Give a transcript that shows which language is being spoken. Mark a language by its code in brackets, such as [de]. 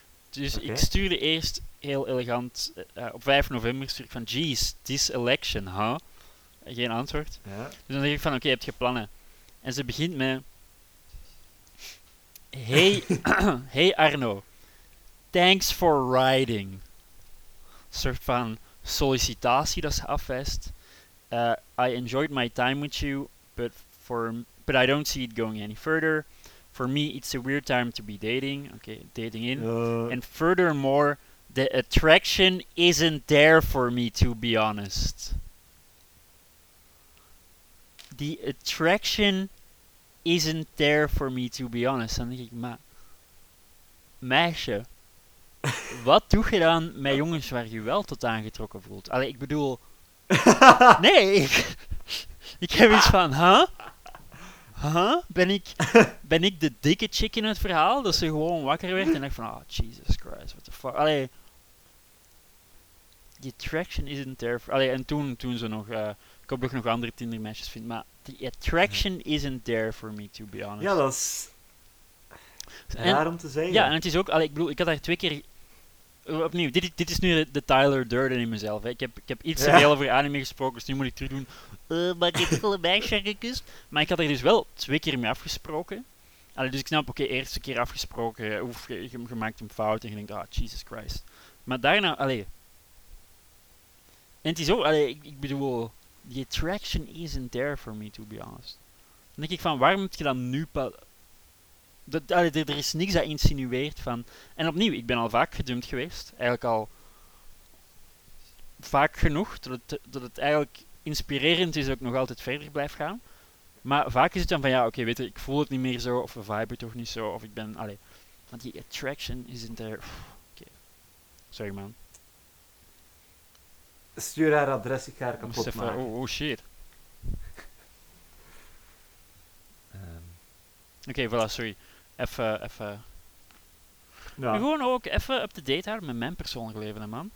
[nl] Dus okay. Ik stuurde eerst heel elegant, op 5 november stuur ik van, [en] geez, this election, huh? [nl] Geen antwoord. Ja. Dus dan zeg ik van, oké, okay, heb je plannen? En ze begint met, [en] hey, hey Arno, thanks for writing. [nl] Een soort van sollicitatie dat ze afwijst. [en] I enjoyed my time with you, but I don't see it going any further. For me, it's a weird time to be dating. Okay, dating in. And furthermore, the attraction isn't there for me, to be honest. The attraction isn't there for me, to be honest. [nl] Dan denk ik, maar meisje, wat doe je dan met jongens waar je wel tot aangetrokken voelt? Allee, ik bedoel... nee, ik heb iets van, huh? Huh? Ben ik de dikke chick in het verhaal? Dat ze gewoon wakker werd en dacht van, [en] oh, Jesus Christ, what the fuck. Allee, the attraction isn't there for... [nl] Allee, en toen ze nog... ik hoop dat ik nog andere Tinder-meisjes vind, maar [en] the attraction isn't there for me, to be honest. [nl] Ja, dat is raar om te zeggen. Ja, en het is ook... Allee, ik bedoel, ik had daar twee keer... Opnieuw, dit is nu de Tyler Durden in mezelf. Hè. Ik heb iets te veel over anime gesproken, dus nu moet ik terug doen. Maar ik heb een meisje gekust. Maar ik had er dus wel twee keer mee afgesproken. Allee, dus ik snap, oké, eerste keer afgesproken, oef, je maakt een fout en je denkt, [en] ah, Jesus Christ. [nl] Maar daarna, allee. En het is ook, allee, ik bedoel, [en] the attraction isn't there for me, to be honest. [nl] Dan denk ik van, waarom moet je dan nu pas... Er is niks dat insinueert van... En opnieuw, ik ben al vaak gedumpt geweest. Eigenlijk al vaak genoeg. Dat het eigenlijk inspirerend is dat ik nog altijd verder blijf gaan. Maar vaak is het dan van, ja, oké, weet je, ik voel het niet meer zo. Of we viben toch niet zo. Of ik ben... Allee, want die [en] attraction isn't there. [nl] Oké. Sorry, man. Stuur haar adres, ik ga haar kapot maken. Oh, shit. Oké, voilà, sorry. Even. Ja. Gewoon ook even up-to-date houden met mijn persoonlijke leven, man.